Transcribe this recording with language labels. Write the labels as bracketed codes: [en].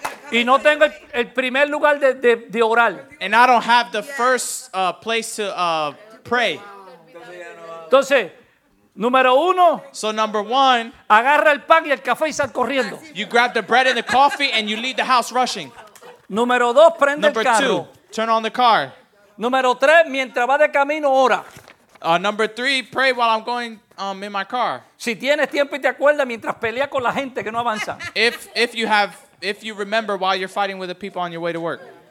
[es] Y no tengo el primer lugar de orar. [en] And I don't have the first place to pray. [es] Entonces, número uno. [en] So number one. [es] Agarra el pan y el café y sal corriendo. [en] You grab the bread and the coffee and you leave the house rushing. [es] Número dos, prende [en] number [es] el carro. [en] Number two, turn on the car. [es] Número tres, mientras va de camino, ora. [en] Number three, pray while I'm going in my car. [es] Si tienes tiempo y te acuerdas mientras peleas con la gente que no avanza. [en] If you remember while you're fighting with the people on your way to work.